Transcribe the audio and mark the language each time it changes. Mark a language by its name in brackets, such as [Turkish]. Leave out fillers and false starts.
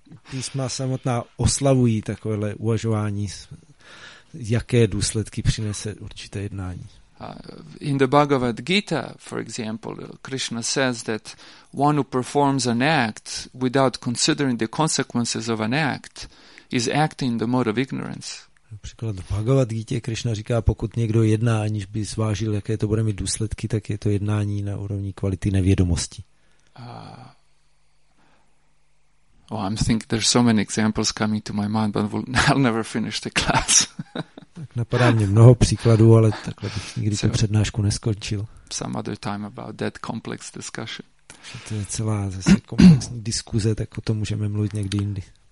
[Czech] Písma samotná oslavují takovéhle uvažování. Jaké důsledky přinese určité jednání. [English] In the Bhagavad Gita, for example, Krishna says that one who performs an act without considering the consequences of an act is acting in the mode of ignorance. [Czech] Například v Bhagavad Gita Krishna říká, pokud někdo jedná, aniž by zvážil, jaké to bude mít důsledky, tak je to jednání na úrovni kvality nevědomosti. [English] I'm thinking there's so many examples coming to my mind, but I'll never finish the class. [Czech] Tak napadá mě mnoho příkladů, ale takhle bych nikdy tu přednášku neskončil. [English] Some other time about that complex discussion. [Czech] To je celá zase komplexní diskuze, tak o tom můžeme mluvit někdy jindy.